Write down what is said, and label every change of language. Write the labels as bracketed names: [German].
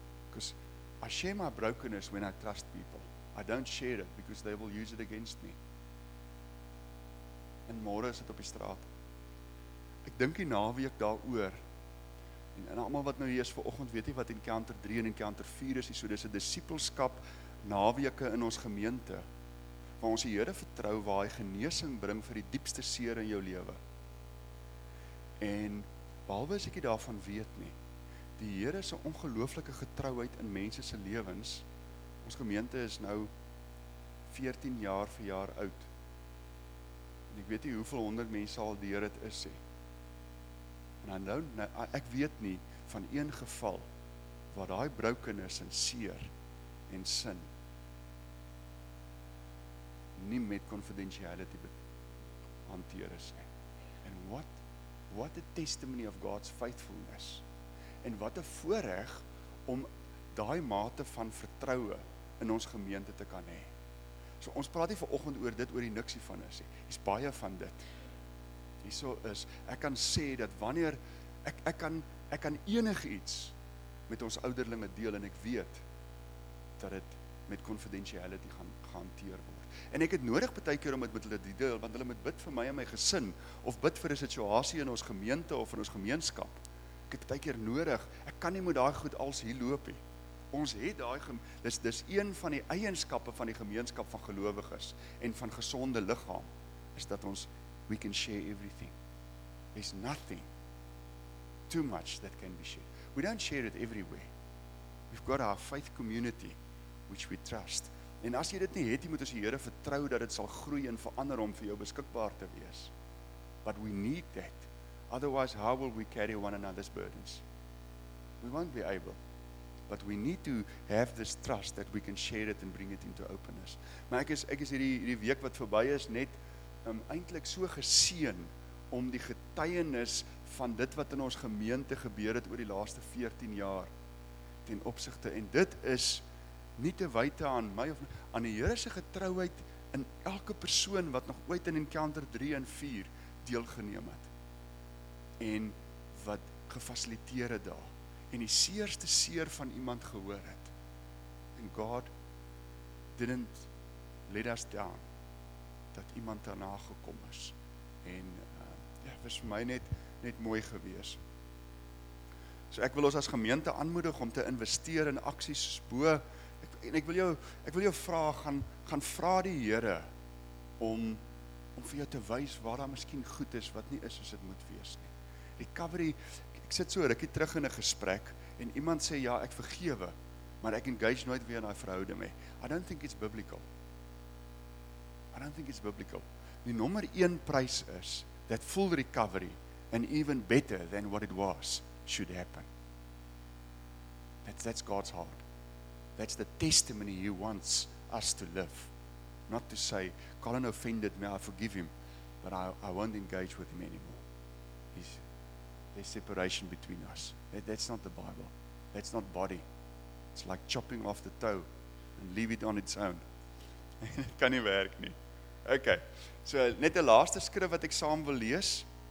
[English] Because I share my brokenness when I trust people. I don't share it because they will use it against me. [Afrikaans] En môre is dit op die straat. Ek dink die naweek daaroor. En almal wat nou hier is vanoggend, weet jy wat Encounter 3 en Encounter 4 is? So dis 'n disipelskap naweke in ons gemeente waar ons die Here vertrou waar hy genesing bring vir die diepste seer in jou lewe. En behalwe as ek nie daarvan weet nie, die Here se ongelooflike getrouheid in mense se lewens. Ons gemeente is nou 14 jaar verjaar oud. En ek weet nie hoeveel 100 mense al deur dit is nie. En nou, ek weet nie van een geval waar daai brokenness en seer en sin nie met confidentiality hanteer is nie. [English] En what a testimony of God's faithfulness. [Afrikaans] En wat 'n voorreg om daai mate van vertroue in ons gemeente te kan hê. So ons praat hier vanoggend oor dit, oor die niksie van is. Dis baie van dit. Hierso is ek kan sê dat wanneer ek kan enigiets met ons ouderlinge deel en ek weet dat dit met confidentiality gaan gehanteer word. En ek het nodig baie keer om dit met hulle te deel want hulle moet bid vir my en my gesin of bid vir 'n situasie in ons gemeente of in ons gemeenskap. Ek het baie keer nodig. Ek kan nie met daai goed als hier loop nie. Ons het daai dis een van die eienskappe van die gemeenskap van gelowiges en van gesonde liggaam is dat ons [English] we can share everything. There's nothing too much that can be shared. We don't share it everywhere. We've got our faith community which we trust. [Afrikaans] En as jy dit nie het, jy moet ons die Here vertrou dat dit sal groei en verander om vir jou beskikbaar te wees. [English] But we need that. Otherwise, how will we carry one another's burdens? We won't be able. But we need to have this trust that we can share it and bring it into openness. [Afrikaans] Maar ek is hierdie week wat verby is net eintlik so geseën om die getuienis van dit wat in ons gemeente gebeur het oor die laaste 14 jaar ten opsigte en dit is nie te wyte aan my of aan die Here se getrouheid in elke persoon wat nog ooit in Encounter 3 en 4 deelgeneem het en wat gefasiliteer het daar en die seerste seer van iemand gehoor het [English] and God didn't let us down [Afrikaans] dat iemand daarna gekom is. En dit was vir my net mooi gewees. So ek wil ons as gemeente aanmoedig om te investeer in aksies bo. Ek wil jou vra gaan vra die Here om vir jou te wys waar daar miskien goed is wat nie is soos dit moet wees nie. Recovery, ek sit so rukkie terug in 'n gesprek en iemand sê ja, ek vergewe, maar ek engage nooit weer in daai verhouding nie. [English] I don't think it's biblical. [Afrikaans] Die nommer 1 prys is [English] that full recovery and even better than what it was should happen. That's God's heart. That's the testimony he wants us to live. Not to say, Colin offended me, I forgive him, but I won't engage with him anymore. There's separation between us. That's not the Bible. That's not body. It's like chopping off the toe and leave it on its own. [Afrikaans] It kan nie werk nie. Ok, so net die laaste skrif wat ek saam wil lees.